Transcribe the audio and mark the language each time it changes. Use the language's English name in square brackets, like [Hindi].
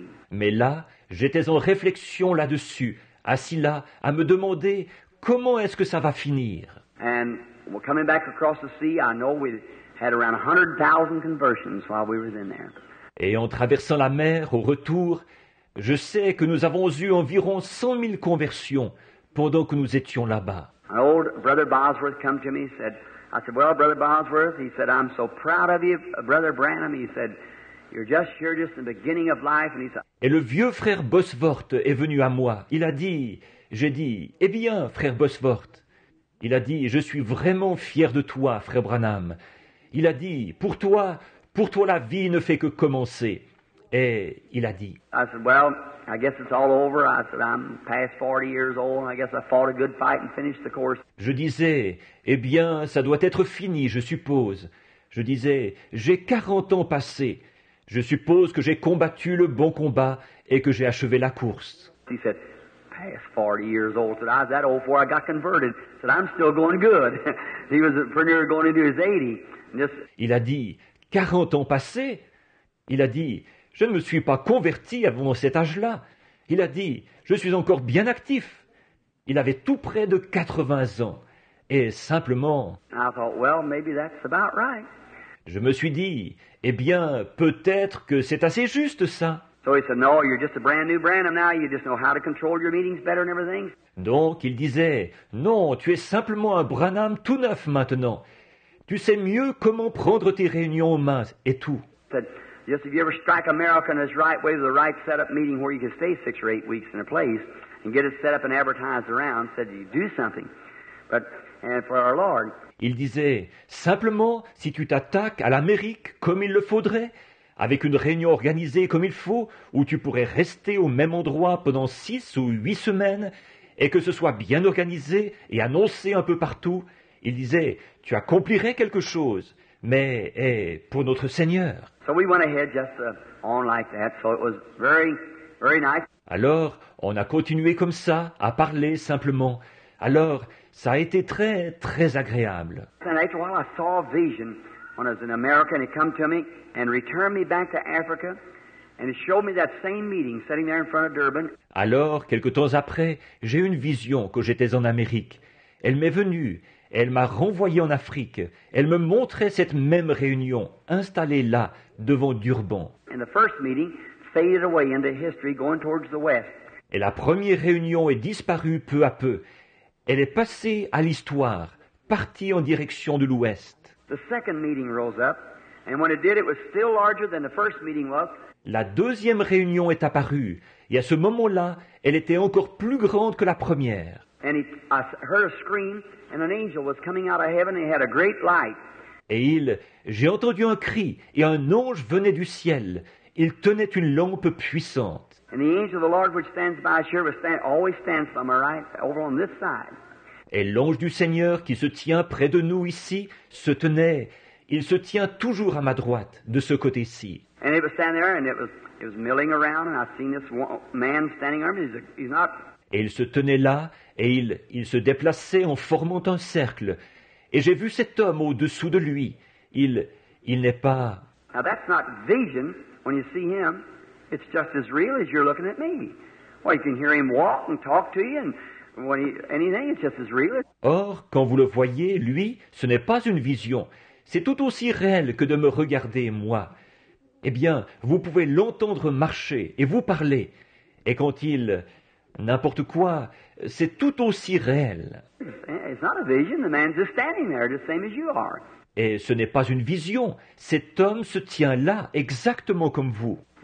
[French] Mais là, j'étais en réflexion là-dessus, assis là, à me demander comment est-ce que ça va finir. [English] And we're coming back across the sea, I know we had around 100,000 conversions while we were in there. [French] Et en traversant la mer au retour, je sais que nous avons eu environ 100,000 conversions pendant que nous étions là-bas. [English] An old brother Bosworth came to me and said, I said, well, brother Bosworth, he said, I'm so proud of you, brother Branham. He said, you're just here just in the beginning of life. And he said, [French] et le vieux frère Bosworth est venu à moi. Il a dit, j'ai dit, eh bien, frère Bosworth. Il a dit, je suis vraiment fier de toi, frère Branham. Il a dit, pour toi la vie ne fait que commencer. Et il a dit, [English] I said, well, I guess it's all over. I said, I'm past 40 years old. I guess I fought a good fight and finished the course. [French] Je disais, eh bien, ça doit être fini, je suppose. Je disais, j'ai 40 ans passés. Je suppose que j'ai combattu le bon combat et que j'ai achevé la course. [English] He said, past 40 years old. Said, I was that old before I got converted. Said, I'm still going good. He was pretty near going into his 80. [French] Il a dit, 40 ans passés. Il a dit, je ne me suis pas converti avant cet âge-là. Il a dit, je suis encore bien actif. Il avait tout près de 80 ans. Et simplement, [English] I thought, well, maybe that's about right. [French] Je me suis dit, eh bien, peut-être que c'est assez juste ça. [English] So he said, no, you're just a brand new Branham now. You just know how to control your meetings better and everything. [French] Donc, il disait, non, tu es simplement un Branham tout neuf maintenant. Tu sais mieux comment prendre tes réunions en main et tout. [English] Said, just if you ever strike America in this right way, the right setup meeting where you can stay 6 or 8 weeks in a place and get it set up and advertised around, said you do something. But and for our Lord. [French] Il disait, simplement, si tu t'attaques à l'Amérique comme il le faudrait, avec une réunion organisée comme il faut, où tu pourrais rester au même endroit pendant 6 ou 8 semaines, et que ce soit bien organisé et annoncé un peu partout, il disait, tu accomplirais quelque chose, mais hey, pour notre Seigneur. [English] So we went ahead just on like that, so it was very, very nice. [French] Alors, on a continué comme ça, à parler simplement. Alors, ça a été très, très agréable. [English] And after a while, I saw a vision when I was in America, and it came to me and returned me back to Africa, and it showed me that same meeting sitting there in front of Durban. [French] Alors, quelque temps après, j'ai eu une vision que j'étais en Amérique. Elle m'est venue, elle m'a renvoyé en Afrique. Elle me montrait cette même réunion installée là, devant Durban. [English] And the first meeting faded away into history, going towards the west. [French] Et la première réunion est disparue peu à peu. Elle est passée à l'histoire, partie en direction de l'ouest. [English] The second meeting rose up, and when it did, it was still larger than the first meeting was. [French] La deuxième réunion est apparue, et à ce moment-là, elle était encore plus grande que la première. [English] And I heard a scream, and an angel was coming out of heaven, and he had a great light. [French] Et j'ai entendu un cri, et un ange venait du ciel. Il tenait une lampe puissante. [English] And the angel of the Lord which stands by here always stands somewhere, right? Over on this side. [French] Et l'ange du Seigneur qui se tient près de nous ici se tenait. Il se tient toujours à ma droite, de ce côté-ci. [English] And he was standing there and it was milling around and I've seen this man standing there. He's not... [French] Et il se tenait là et il se déplaçait en formant un cercle. Et j'ai vu cet homme au-dessous de lui. Il n'est pas... [English] Now that's not vision when you see him. It's just as real as you're looking at me. Well, you can hear him walk and talk to you and when he, anything, it's just as real. [French] Or, quand vous le voyez, lui, ce n'est pas une vision. C'est tout aussi réel que de me regarder, moi. Eh bien, vous pouvez l'entendre marcher et vous parler. Et quand il... n'importe quoi, c'est tout aussi réel. [English] It's not a vision. The man's just standing there, the same as you are. [French] Et ce n'est pas une vision. Cet homme se tient là, exactement comme vous.